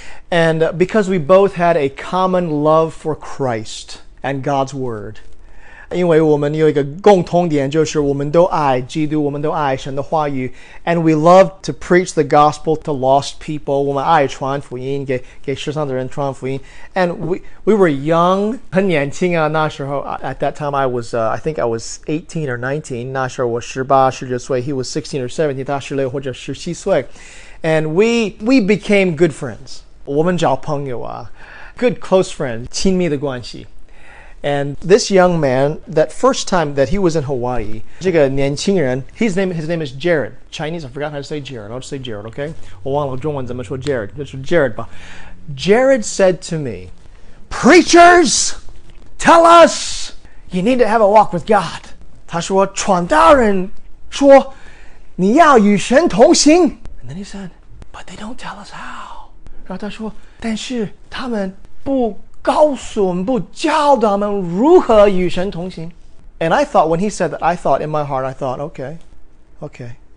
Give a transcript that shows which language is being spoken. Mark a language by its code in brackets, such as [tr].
[en] And because we both had a common love for Christ and God's word. [zh] 因为我们有一个共同点，就是我们都爱基督，我们都爱神的话语。 [en] And we love to preach the gospel to lost people. [zh] 我们爱传福音，给世上的人传福音。 [en] And we were young, [zh] 很年轻啊，那时候。 [en] At that time, I think I was 18 or 19. [zh] 那时候我18、19岁。 [en] He was 16 or 17, [zh] 他16或者17岁。 [en] And we became good friends. [zh] 我们找朋友啊 [en] good close friend, [zh] 亲密的关系。 [en] And this young man, that first time that he was in Hawaii, [zh] 这个年轻人 [en] his name is Jared. Chinese, I forgot how to say Jared. I'll just say Jared, okay? [zh] 我忘了中文怎么说 Jared, 就是 Jared 吧。 [en] Jared said to me, Preachers, tell us, you need to have a walk with God. [zh] 他说传道人说你要与神同行。 [en] And then he said, but they don't tell us how. [zh] 然后他说但是他们不告诉我们不教导我们如何与神同行。 [en] And I thought, when he said that, I thought in my heart, I thought, okay, okay.